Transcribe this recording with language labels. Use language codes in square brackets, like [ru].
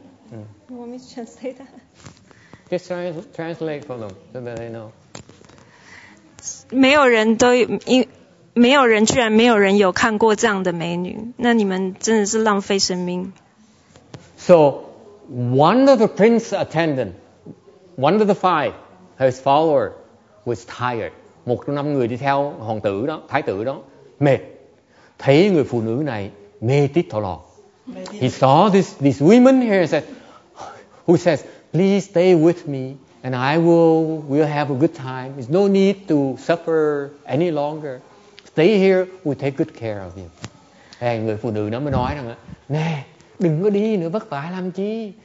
[en] You want me to translate that? Just translate for them so that they know. [zh] 没有人都没有人居然没有人有看过这样的美女，那你们真的是浪费生命。 [en] So one of the prince attendant, one of the five, his follower was tired. [vi] 1 trong 5 người đi theo hoàng tử đó, thái tử đó, mệt. Thấy người phụ nữ này mê tít thọ lò. [en] He saw this woman here and said. Who says, please stay with me and I will have a good time. There's no need to suffer any longer. Stay here, we'll take good care of you. [vi] Hey, người phụ nữ nó mới nói rằng, nè, đừng có đi nữa, vất vả làm chi.